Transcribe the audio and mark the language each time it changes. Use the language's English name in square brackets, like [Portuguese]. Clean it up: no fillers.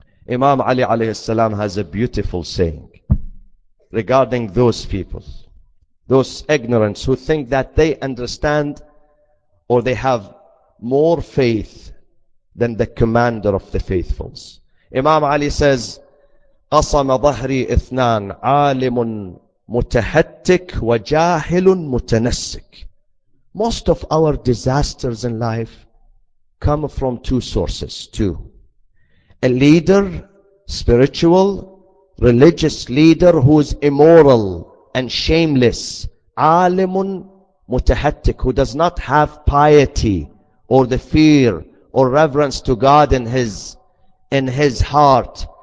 [English] Imam Ali alayhi salam has a beautiful saying regarding those people, those ignorants who think that they understand or they have more faith than the commander of the faithfuls. Imam Ali says, [Arabic] قَصَمَ ظَهْرِي إِثْنَانْ عَالِمٌ مُتَهَتِّكْ وَجَاهِلٌ مُتَنَسِّكْ. [English] Most of our disasters in life come from two sources, two. A leader, spiritual, religious leader who is immoral and shameless, alimun mutahattik, who does not have piety or the fear or reverence to God in his heart.